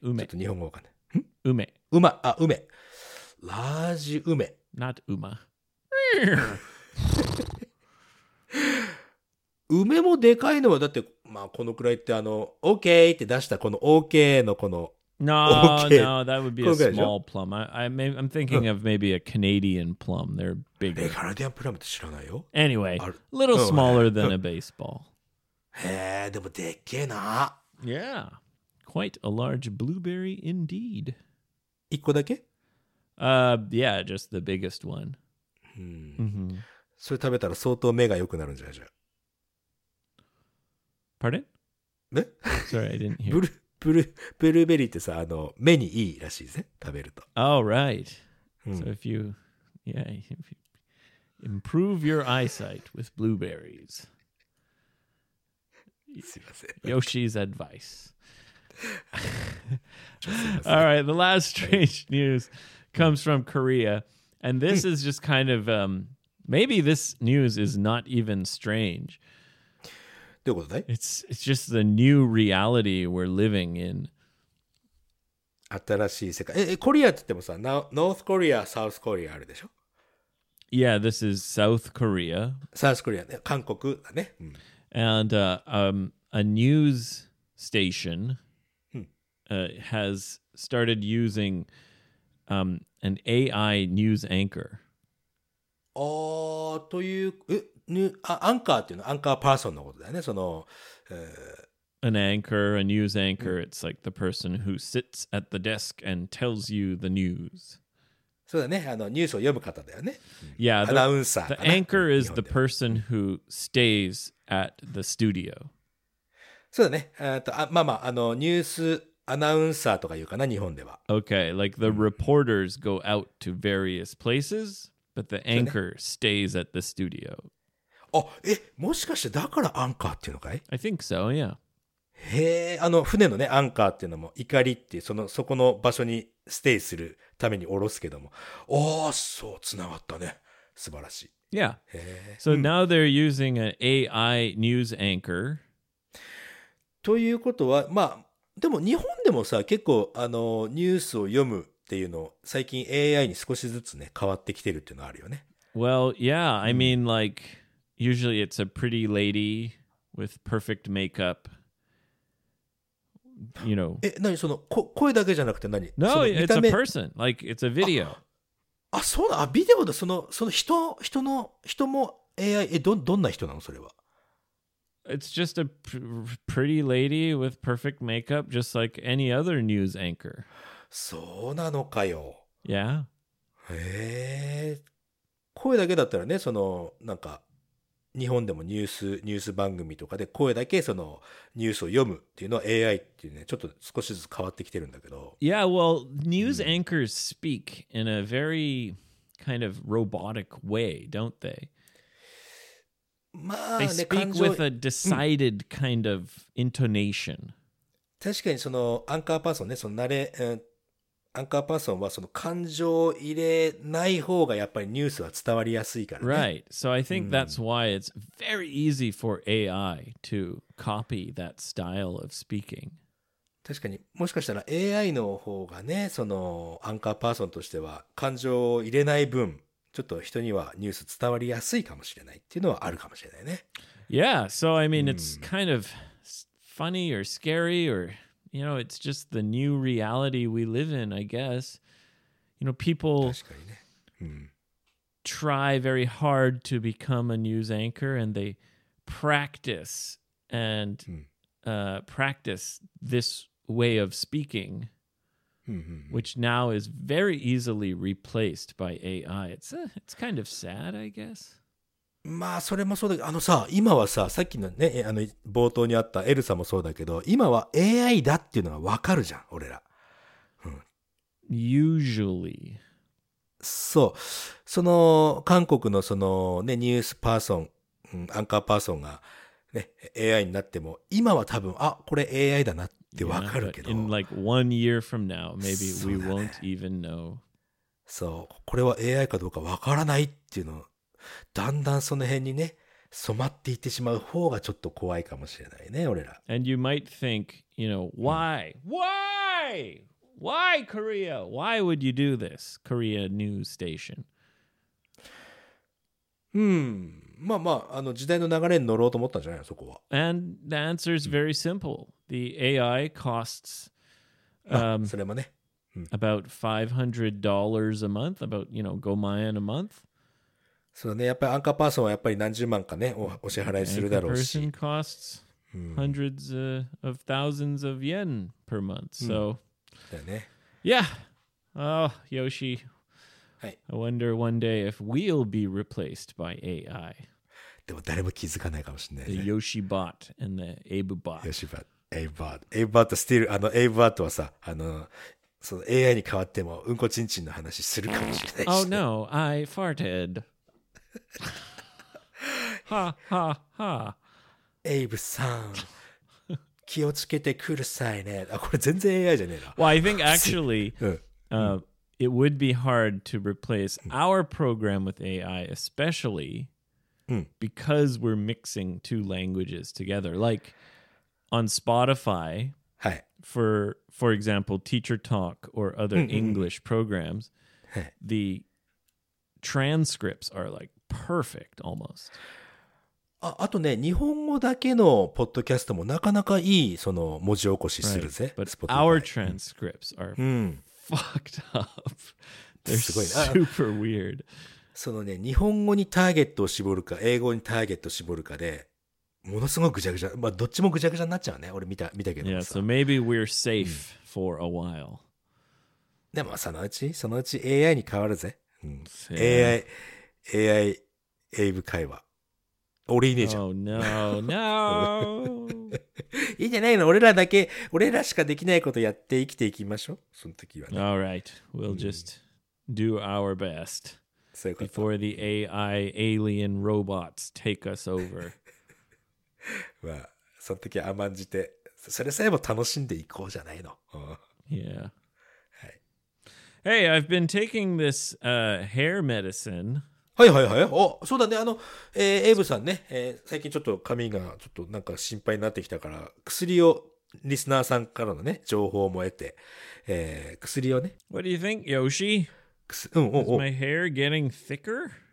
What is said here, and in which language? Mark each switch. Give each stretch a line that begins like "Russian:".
Japanese: 梅。ちょっと日本語わかんない。 梅。馬。あ、梅。Large 梅。
English: Not 馬。
Japanese: 梅もでかいのはだってまあこのくらいってあの OK って出したこの OK のこの
English: No, OK No, that would be a small plum. I'm thinking of maybe a Canadian plum. They're bigger.
Japanese: カナディアンプラムって知らないよ。
English: Anyway, a little smaller than a baseball.
Japanese: へえ、でもでっけえな。
English: Yeah, quite a large blueberry indeed.
Japanese: 一個だけ？
English: Yeah, just the biggest one.
Japanese: うん、それ食べたら相当目が良くなるんじゃないじゃん。
English: Pardon?
Japanese: ね
English: Sorry, I didn't hear.
Japanese: ブルーベリーってさ、あの、目にいいらしいぜ、食べると。
English: Oh, right.、うん、so if you improve your eyesight with blueberries.
Japanese: すいません。
English: Yoshi's advice. All right, the last strange news comes from Korea. And this is just kind of, maybe this news is not even strange. It's just the new reality we're living in.
Japanese: 新しい世界。え、コリアって言ってもさ、ノースコリア、サウスコリアあるでしょ?
English: Yeah, this is South Korea. South Korea,
Japanese: 韓国だね。
English: And a news station has started using... An AI news anchor.
Japanese: Oh, という、アンカーっていうの、アンカーパーソンのことだよね。その、
English: An anchor, a news anchor. It's like the person who sits at the desk and tells you the news.
Japanese: そうだね。あの、ニュースを読む方だよね。
English: Yeah,
Japanese: アナウンサーかな。
English: The anchor is the person who stays at the studio.
Japanese: そうだね。まあまあ、あの、ニュース、アナウンサーとか言うかな、日本では。
English: Okay, like the reporters go out to various places, but the anchor stays at the studio.
Japanese: あ、え、もしかしてだからアンカーっていうのかい?
English: I think so, yeah.
Japanese: へえ、あの船のね、アンカーっていうのも、怒りっていう、その、そこの場所にステイするために降ろすけども。おー、そう、つながったね。素晴らしい。
English: Yeah. へえ。 So now they're using an AI news anchor.
Japanese: ということは、まあ、でも日本でもさ結構あのニュースを読むっていうのを最近 AI に少しずつね変わってきてるっていうのあるよね。
English: Well, yeah, I mean like usually it's a pretty lady with perfect makeup. You know.
Japanese: え、何その声だけじゃなくて何
English: No,
Japanese: その見た目
English: it's a person. Like it's a video.
Japanese: あ、そうだ。あ、ビデオだ。その人の人も AI。え、どんな人なのそれは。
English: It's just a pretty lady with perfect makeup, just like any other news anchor.
Japanese: そうなのかよ。
English: Yeah.
Japanese: へえ。声だけだったらね、そのなんか日本でもニュース番組とかで声だけそのニュースを読むっていうのは AI っていうね、ちょっと少しずつ変わってきてるんだけど。
English: Yeah, well, news anchors speak in a very kind of robotic way, don't they?
Japanese: まあね、
English: They speak with a decided kind of intonation.
Japanese: 確かにそのアンカーパーソンね、その慣れ、アンカーパーソンはその感情を入れない方がやっぱりニュースは伝わりやすいからね。
English: Right. So I think that's why it's very easy for AI to copy that style of speaking.
Japanese: 確かに。もしかしたら AI の方がね、そのアンカーパーソンとしては感情を入れない分、ちょっと人にはニュース伝わりやすいかもしれないっていうのはあるかもしれないね。
English: Yeah. So I mean, it's kind of funny or scary or... You know, it's just the new reality we live in, I guess. You know, people try very hard to become a news anchor and they practice and practice this way of speaking, which now is very easily replaced by AI. It's kind of sad, I guess.
Japanese: まあそれもそうだけど、あのさ、今はさ、さっきのね、あの冒頭にあったエルサもそうだけど、今は AI だっていうのが分かるじゃん俺ら、う
English: ん、Usually
Japanese: そう、その韓国のそのね、ニュースパーソン、うん、アンカーパーソンがね、AI になっても今は多分、あ、これ AI だなって分かるけど、
English: yeah, but in like one year from now, maybe we won't even know.
Japanese: そう、これは AI かどうか分からないっていうのだんだんその辺にね染まっていってしまう方がちょっと怖いかもしれないね俺ら。
English: And you might think, you know, why?、うん、why? Why Korea? Why would you do this? Korea news station.
Japanese: まあまあ、 あの時代の流れに乗ろうと思ったんじゃないそこは。
English: And the answer is very simple. The AI costs、
Japanese: それもね、
English: about $500 a month, about, you know, gomayan a month.
Japanese: そうね、やっぱりアンカーパーソンはやっぱり何十万かね、お支払いするだろうし。
English: Anchor person costs hundreds of thousands of yen per month. So,
Japanese: だね。
English: Yeah. Oh, Yoshi. I wonder one day if we'll be replaced by AI.
Japanese: でも誰も気づかないかもしれない、ね。
English: The Yoshi bot and the Abe bot. Yoshi bot, Abe bot, Abe bot still, あの Abe bot はさ、あの。
Japanese: その AI に変わってもうんこちんちんの話するかもしれないし、
English: ね。Oh no, I farted. ha ha ha.
Japanese: Abe さん、気をつけてくださいね。あ、これ全然 AI じゃねえな。
English: Well, I think actually, 、it would be hard to replace our program with AI, especially because we're mixing two languages together. Like on Spotify, for example, Teacher Talk or other English programs, the transcripts are like. Perfect, almost.
Japanese: あとね、日本語だけのポッドキャストもなかなかいいその文字起こしするぜ。
English: Right. But Spotify. Our transcripts are fucked up. They're super weird.
Japanese: そのね、日本語にターゲットを絞るか、英語にターゲットを絞るかで、ものすごくぐちゃぐちゃ、まあ、どっちもぐちゃぐちゃになっちゃうね。俺見たけどさ。
English: Yeah, so maybe we're safe for a while.
Japanese: でもそのうち AI に変わるぜ。 AI。 AI エイブ会話俺いねえじゃん。
English: Oh, no, no.
Japanese: いいじゃないの。俺らしかできないことやって生きていきましょう。その時はね。
English: All right, we'll just do our best before the AI alien robots take us over.
Japanese: まあその時は甘んじてそれさえも楽しんでいこうじゃないの。
English: Yeah. Hey, I've been taking this hair medicine.
Japanese: はいはいはい。お、そうだね。あの、エイブさんね、最近ちょっと髪がちょっとなんか心配になってきたから、薬をリスナーさんからのね、情報をも得て、薬をね。
English: What do you think, Yoshi? Is my hair getting thicker?